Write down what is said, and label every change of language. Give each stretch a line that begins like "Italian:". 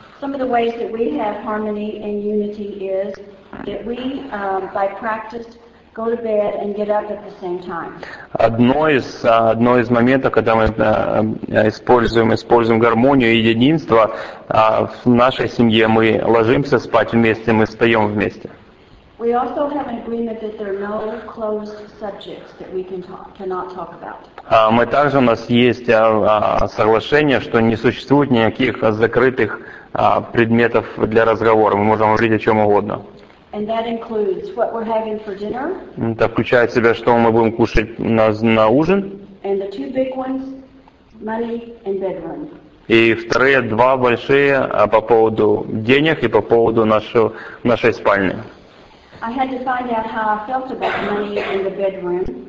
English: Some of the ways that we have harmony and unity is that we by practice go to bed and get up at the same time.
Russian: Одно из моментов, когда мы используем гармонию и единство, в нашей семье мы ложимся спать вместе, мы встаем вместе.
English: We also have an agreement that there are no closed subjects that we cannot talk about.
Russian: Мы также у нас есть соглашение, что не существует никаких закрытых предметов для разговора. Мы можем говорить о чем угодно.
English: And that includes what we're having for dinner.
Russian: Это включает в себя, что мы будем кушать на ужин.
English: And the two big ones, money and bedroom.
Russian: И вторые два большие по поводу денег и по поводу нашей спальни.
English: I had to find out how I felt about money in the bedroom.